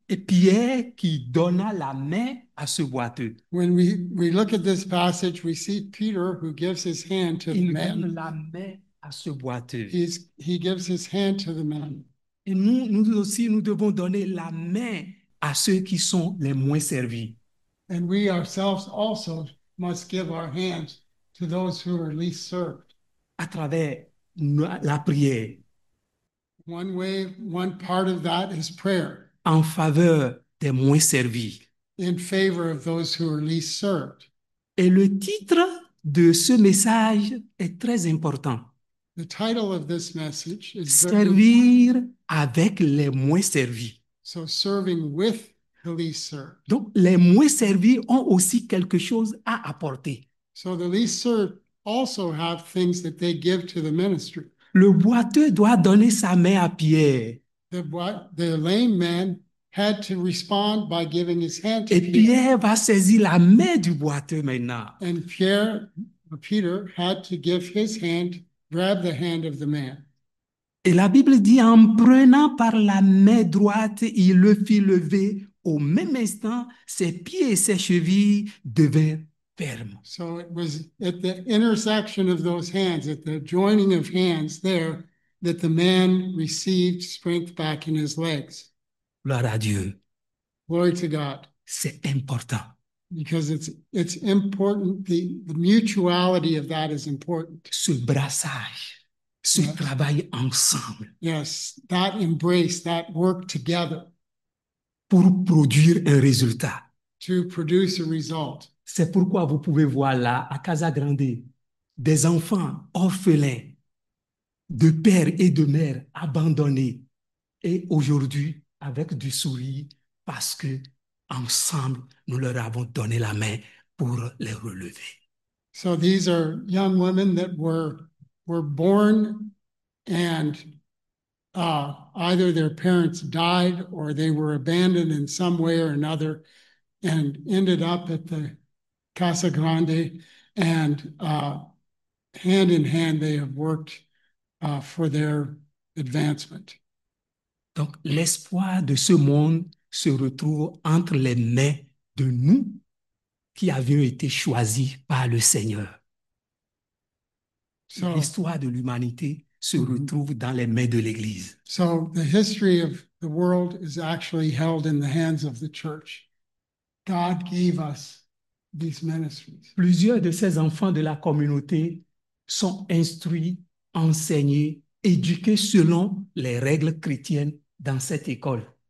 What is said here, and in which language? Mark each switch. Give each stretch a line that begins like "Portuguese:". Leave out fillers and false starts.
French: Et Pierre qui donna la main à ce boiteux.
English: When we look at this passage, we see Peter who gives his hand to the
French: Il donne
English: man.
French: la main à ce boiteux.
English: He gives his hand to the man.
French: Et nous aussi, nous devons donner la main à ceux qui sont les moins servis.
English: And we ourselves also must give our hand to those who are least served.
French: À travers la prière.
English: One part of that is prayer.
French: En faveur des moins servis.
English: In favor of those who are least served.
French: Et le titre de ce message est très important.
English: The title of this message is very important.
French: Servir avec les moins servis.
English: So serving with the least served.
French: Donc, les moins servis ont aussi quelque chose à apporter.
English: So the least served also have things that they give to the ministry.
French: Le boiteux doit donner sa main à Pierre.
English: The lame man had to respond by giving his hand to
French: Et
English: Peter.
French: Pierre va saisir la main du boiteux maintenant.
English: And Peter had to give his hand, grab the hand of the man.
French: Et la Bible dit, en prenant par la main droite, il le fit lever. Au même instant, ses pieds et ses chevilles devinrent fermes.
English: So it was at the intersection of those hands, at the joining of hands there, that the man received strength back in his legs.
French: Gloire à Dieu.
English: Glory to God.
French: C'est important.
English: Because it's important, the mutuality of that is important.
French: Ce brassage, ce
English: Yes.
French: travail ensemble
English: Yes, that embrace, that work together
French: pour produire un résultat.
English: to produce a result.
French: C'est pourquoi vous pouvez voir là, à Casa Grande, des enfants orphelins de père et de mère abandonnés et aujourd'hui avec du sourire parce que ensemble, nous leur avons donné la main pour les relever.
English: So these are young women that were born and either their parents died or they were abandoned in some way or another and ended up at the Casa Grande and hand in hand they have worked for their advancement.
French: Donc, l'espoir de ce monde se retrouve entre les mains de nous qui avions été choisis par le Seigneur.
English: So,
French: L'histoire de l'humanité se retrouve dans les mains de l'Église.
English: so the history of the world is actually held in the hands of the church. God gave us these ministries.
French: Plusieurs de ces enfants de la communauté sont instruits, enseignés, éduqués selon les règles chrétiennes dans cette école.